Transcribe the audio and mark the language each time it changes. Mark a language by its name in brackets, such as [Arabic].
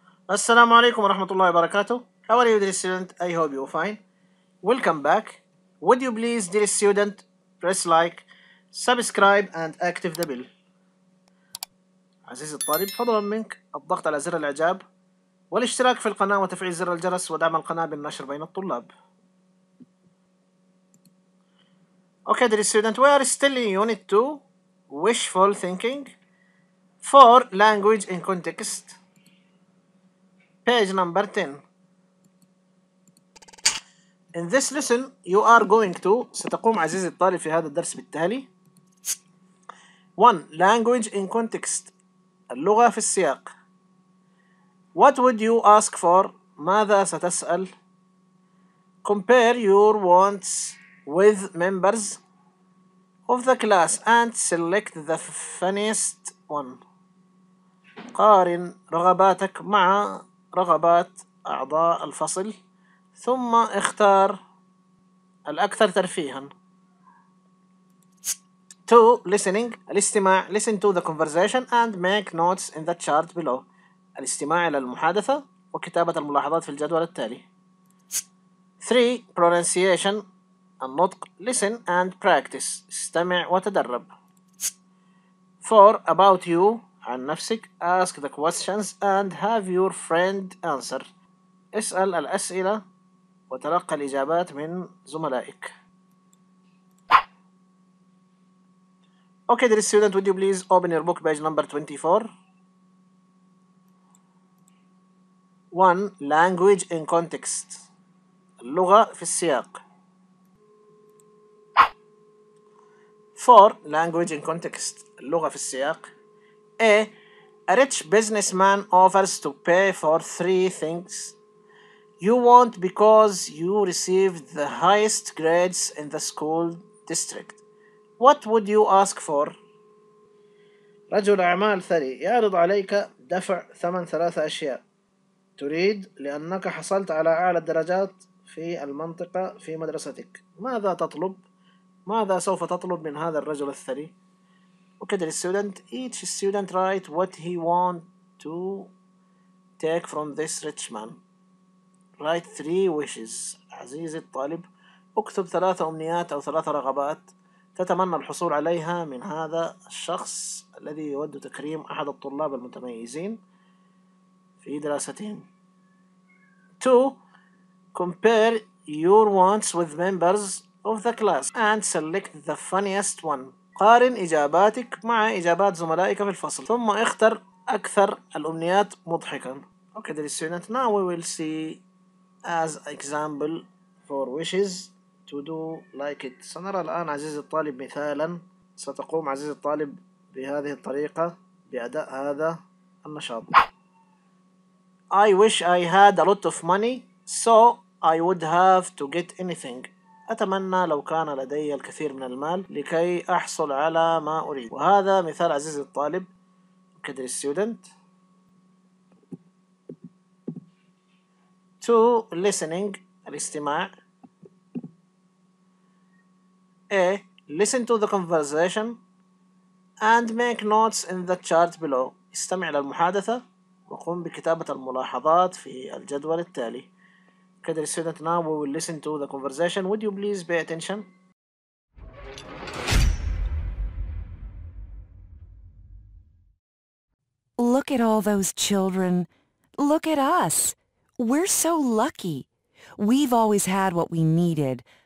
[Arabic] السلام عليكم ورحمة الله وبركاته. [English] How are you, dear student? I hope you're fine. Welcome back. Would you please, dear student, press like, subscribe and active the bell. [Arabic] عزيزي الطالب فضلا منك الضغط على زر الإعجاب والاشتراك في القناة وتفعيل زر الجرس ودعم القناة بالنشر بين الطلاب. [English] Okay, dear student, we are still in unit 2, wishful thinking for language in context. Page number 10. In this lesson, you are going to, [Arabic] ستقوم عزيزي الطالب في هذا الدرس بالتالي. [English] 1. Language in context. [Arabic] اللغة في السياق. [English] What would you ask for? [Arabic] ماذا ستسأل? [English] Compare your wants with members of the class and select the funniest one. [Arabic] قارن رغباتك مع رغبات أعضاء الفصل ثم اختار الأكثر ترفيها. [English] 2. Listening. الاستماع. Listen to the conversation and make notes in the chart below. [Arabic] الاستماع إلى المحادثة وكتابة الملاحظات في الجدول التالي. [English] 3. Pronunciation. النطق. Listen and practice. [Arabic] استمع وتدرب. 4. [English] About you. [Arabic] عن نفسك. [English] Ask the questions and have your friend answer. [Arabic] اسأل الأسئلة وتلقى الإجابات من زملائك. [English] Okay, dear student, would you please open your book, page number 24. 1. Language in context. [Arabic] اللغة في السياق. [English] 4. Language in context. [Arabic] اللغة في السياق. [English] A. A rich businessman offers to pay for three things you want because you received the highest grades in the school district. What would you ask for? [Arabic] رجل أعمال ثري يعرض عليك دفع ثمن ثلاثة أشياء تريد لأنك حصلت على أعلى الدرجات في المنطقة في مدرستك. ماذا تطلب؟ ماذا سوف تطلب من هذا الرجل الثري؟ [English] Okay, dear student, each student write what he want to take from this rich man. Write three wishes. [Arabic] عزيزي الطالب اكتب ثلاثة أمنيات أو ثلاثة رغبات تتمنى الحصول عليها من هذا الشخص الذي يود تكريم أحد الطلاب المتميزين في دراستهم. 2. [English] Compare your wants with members of the class and select the funniest one. [Arabic] قارن إجاباتك مع إجابات زملائك في الفصل ثم اختر أكثر الأمنيات مضحكا. [English] Okay, dear student, now we will see as example for wishes to do like it. [Arabic] سنرى الآن عزيزي الطالب مثالا ستقوم عزيزي الطالب بهذه الطريقة بأداء هذا النشاط. [English] I wish I had a lot of money so I would have to get anything. [Arabic] أتمنى لو كان لدي الكثير من المال لكي أحصل على ما أريد. وهذا مثال عزيزي الطالب كدري student. [English] 2. Listening. الاستماع. A. Listen to the conversation and make notes in the chart below. [Arabic] استمع للمحادثة وقم بكتابة الملاحظات في الجدول التالي. [English] Okay, dear student, now we will listen to the conversation. Would you please pay attention? Look at all those children. Look at us. We're so lucky. We've always had what we needed.